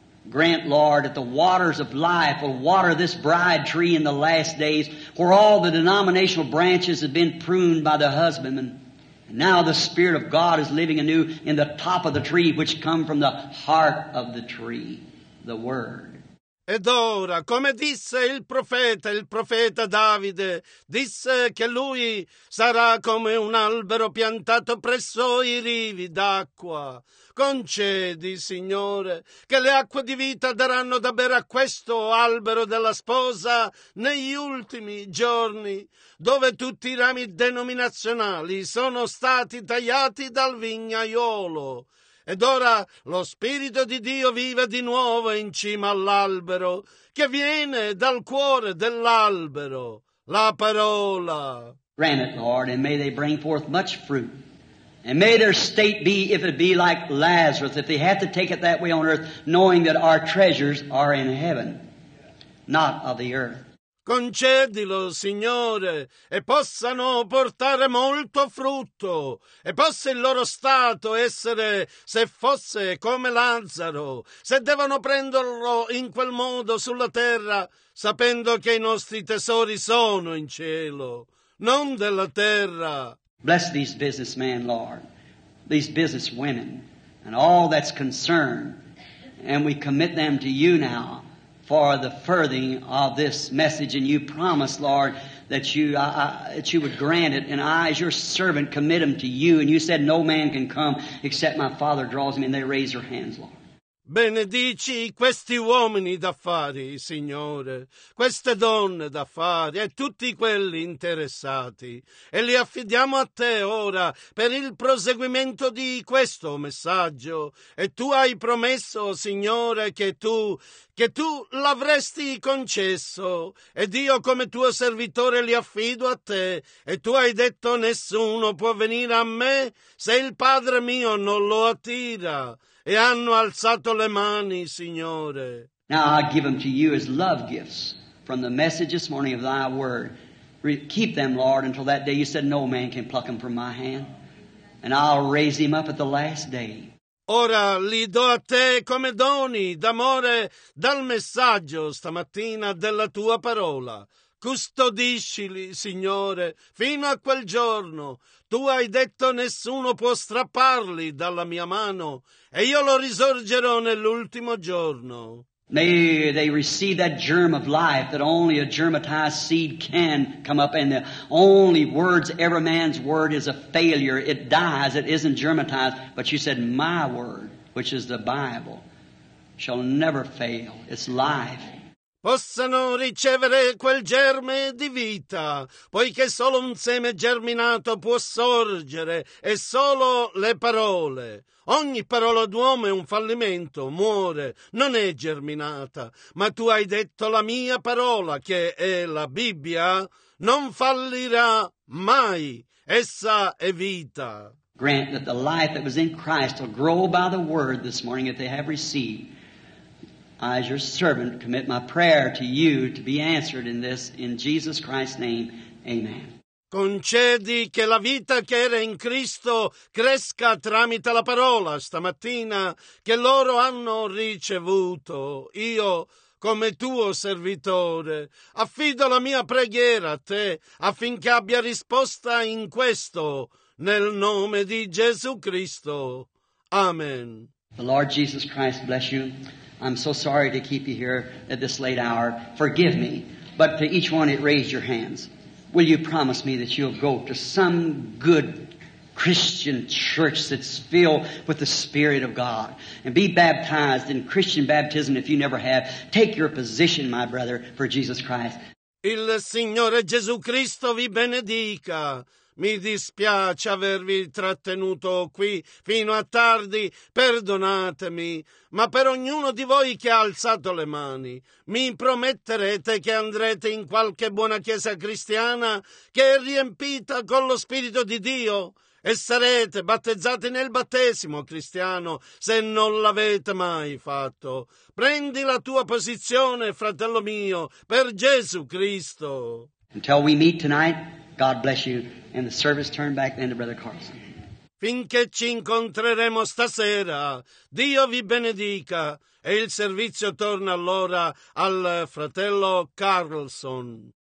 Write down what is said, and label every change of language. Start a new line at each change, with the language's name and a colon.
English: Grant, Lord, that the waters of life will water this bride tree in the last days, where all the denominational branches have been pruned by the husbandman. Now the Spirit of God is living anew in the top of the tree, which come from the heart of the tree, the Word.
Italian: Ed ora, come disse il profeta Davide, disse che lui sarà come un albero piantato presso i rivi d'acqua. Concedi, Signore, che le acque di vita daranno da bere a questo albero della sposa negli ultimi giorni, dove tutti i rami denominazionali sono stati tagliati dal vignaiolo. Ed ora lo Spirito di Dio vive di nuovo in cima all'albero, che viene dal cuore dell'albero, la parola.
English: Grant it, Lord, and may they bring forth much fruit. And may their state be, if it be like Lazarus, if they have to take it that way on earth, knowing that our treasures are in heaven, not of the earth.
Italian: Concedilo, Signore, e possano portare molto frutto, e possa il loro stato essere, se fosse come Lazzaro, se devono prenderlo in quel modo sulla terra, sapendo che i nostri tesori sono in cielo, non della terra.
English: Bless these businessmen, Lord, these business women, and all that's concerned, and we commit them to you now for the furthering of this message. And you promised, Lord, that you would grant it. And I, as your servant, commit them to you. And you said, no man can come except my Father draws me. And they raise their hands, Lord.
Italian: Benedici questi uomini d'affari, Signore, queste donne d'affari e tutti quelli interessati, e li affidiamo a te ora per il proseguimento di questo messaggio. E tu hai promesso, Signore, che tu l'avresti concesso, ed io come tuo servitore li affido a te, e tu hai detto: nessuno può venire a me se il Padre mio non lo attira. E hanno alzato le mani, Signore.
English: Now I give them to you as love gifts from the message this morning of thy word. Keep them, Lord, until that day you said no man can pluck them from my hand. And I'll raise him up at the last day.
Italian: Ora li do a te come doni d'amore dal messaggio stamattina della tua parola. Custodiscili, Signore, fino a quel giorno. Tu hai detto nessuno può strapparli dalla mia mano, e io lo risorgerò nell'ultimo giorno.
English: May they receive that germ of life that only a germatized seed can come up, and the only words ever man's word is a failure. It dies, it isn't germatized, but you said my word, which is the Bible, shall never fail. It's life.
Italian: Possano ricevere quel germe di vita, poiché solo un seme germinato può sorgere, e solo le parole. Ogni parola d'uomo è un fallimento, muore, non è germinata. Ma tu hai detto la mia parola, che è la Bibbia, non fallirà mai. Essa è vita.
English: Grant that the life that was in Christ will grow by the word this morning if they have received. I, as your servant, commit my prayer to you to be answered in this, in Jesus Christ's name. Amen.
Italian: Concedi che la vita che era in Cristo cresca tramite la parola stamattina che loro hanno ricevuto. Io, come tuo servitore, affido la mia preghiera a te affinché abbia risposta in questo, nel nome di Gesù Cristo. Amen.
English: The Lord Jesus Christ bless you. I'm so sorry to keep you here at this late hour. Forgive me. But to each one, it raised your hands. Will you promise me that you'll go to some good Christian church that's filled with the Spirit of God and be baptized in Christian baptism if you never have? Take your position, my brother, for Jesus Christ.
Italian: Il Signore Gesù Cristo vi benedica. Mi dispiace avervi trattenuto qui fino a tardi, perdonatemi, ma per ognuno di voi che ha alzato le mani, mi prometterete che andrete in qualche buona chiesa cristiana che è riempita con lo Spirito di Dio e sarete battezzati nel battesimo cristiano se non l'avete mai fatto. Prendi la tua posizione, fratello mio, per Gesù Cristo.
English: Until we meet tonight, God bless you. And the service turned back then to Brother Carlson.
Italian: Finché ci incontreremo stasera, Dio vi benedica. E il servizio torna allora al fratello Carlson.